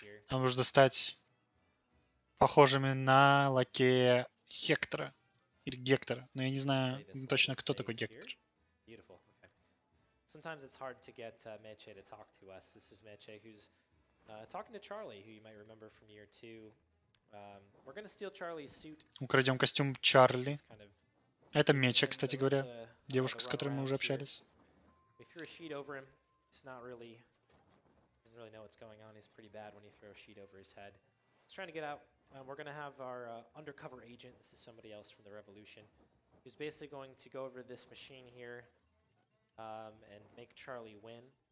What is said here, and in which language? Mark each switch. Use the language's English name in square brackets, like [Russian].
[Russian] Нам нужно стать похожими на лакея Хектора или Гектора, но я не знаю точно, кто такой Гектор. [English] Sometimes it's hard to get Meche to talk to us. This is Meche, who's talking to Charlie, who you might remember from year two. We're gonna steal Charlie's suit. [Russian] Украдем костюм Чарли. Это Меча, кстати говоря, девушка, с которой мы уже общались. [English] We threw a sheet over him. He's not really, doesn't really know what's going on. He's pretty bad when you throw a sheet over his head. He's trying to get out. We're gonna have our undercover agent. This is somebody else from the Revolution. who's basically going to go over this machine here and make Charlie win.